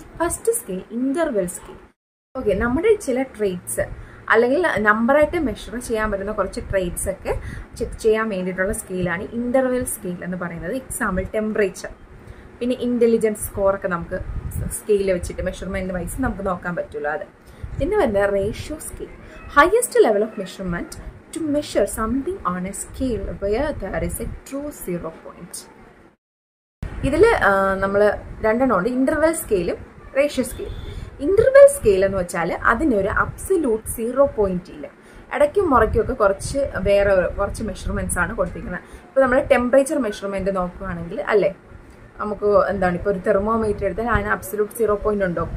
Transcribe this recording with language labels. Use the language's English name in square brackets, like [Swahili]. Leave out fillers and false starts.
[Malayalam] First scale interval scale. Okay, നമ്മുടെ ചില traits അല്ലെങ്കിൽ നമ്പറായിട്ട് മെഷർ ചെയ്യാൻ പറ്റുന്ന കുറച്ച് ട്രെയ്റ്റ്സ് ഒക്കെ ചെക്ക് ചെയ്യാൻ വേണ്ടിയിട്ടുള്ള സ്കെയിലാണ് ഇൻ്റർവെൽ സ്കെയിൽ എന്ന് പറയുന്നത്. എക്സാമ്പിൾ ടെമ്പറേച്ചർ, പിന്നെ ഇൻ്റലിജൻസ് സ്കോറൊക്കെ നമുക്ക് സ്കെയിൽ വെച്ചിട്ട് മെഷർമെൻറ്റ് വൈസ് നമുക്ക് നോക്കാൻ പറ്റുള്ളൂ. അത് പിന്നെ വരുന്നത് ratio scale. [English] Highest level of measurement to measure something on a scale where there is a true zero point. [Malayalam] ഇതിലെ നമ്മൾ രണ്ടെണ്ണമുണ്ട്, ഇൻ്റർവെൽ സ്കെയിലും റേഷ്യോ സ്കെയിലും. ഇൻ്റർവെൽ സ്കെയിൽ എന്ന് വെച്ചാൽ അതിനൊരു അബ്സല്യൂട്ട് സീറോ പോയിൻ്റ് ഇല്ല, ഇടയ്ക്കും മുറയ്ക്കുമൊക്കെ കുറച്ച് വേറെ കുറച്ച് മെഷർമെൻറ്റ്സ് ആണ് കൊടുത്തിരിക്കുന്നത്. ഇപ്പോൾ നമ്മൾ ടെമ്പറേച്ചർ മെഷർമെൻറ്റ് നോക്കുകയാണെങ്കിൽ അല്ലേ, നമുക്ക് എന്താണ് ഇപ്പോൾ ഒരു തെർമോമീറ്റർ എടുത്താൽ അതിന് അബ്സല്യൂട്ട് സീറോ പോയിൻ്റ് ഉണ്ടോ?